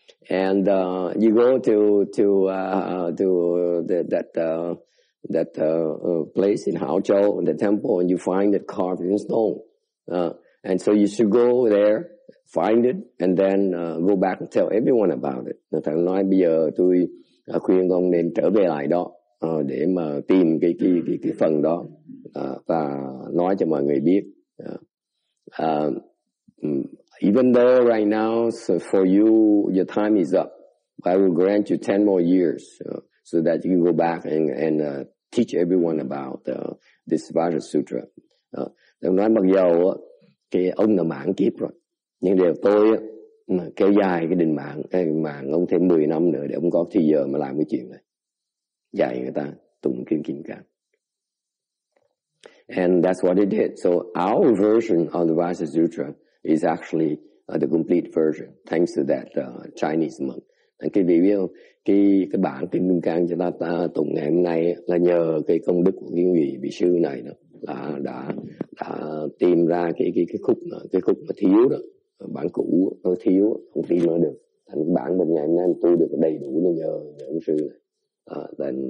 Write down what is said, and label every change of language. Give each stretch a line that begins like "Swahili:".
English: And you go to that place in Haozhou, in the temple, and you find it carved in stone. And so you should go there, find it, and then go back and tell everyone about it.
Vietnamese: Thầy nói bây giờ tôi khuyên ông nên trở về lại đó để mà tìm cái phần đó và nói cho mọi người biết.
English: Even though right now, so for you, your time is up, I will grant you 10 more years so that you can go back and teach everyone about this Vajra Sutra.
Vietnamese: Tôi nói mặc dù cái ông là mãn kiếp rồi, nhưng điều tôi kéo dài cái định mạng, ông thêm 10 năm nữa để ông có thời giờ mà làm cái chuyện này. Dạy người ta tụng kinh Kim Cang.
English: And that's what he did. So our version of the Vajra Sutra is actually the complete version, thanks to that Chinese monk. Thank you, baby.
Vietnamese: Cái bản kinh Kim Cang cho ta tụng ngày hôm nay là nhờ cái công đức của cái vị sư này đó, là đã tìm ra cái khúc mà thiếu đó, bản cũ nó thiếu, không tìm nó được. Thành bản mình ngày hôm nay tôi được đầy đủ là nhờ ông sư này.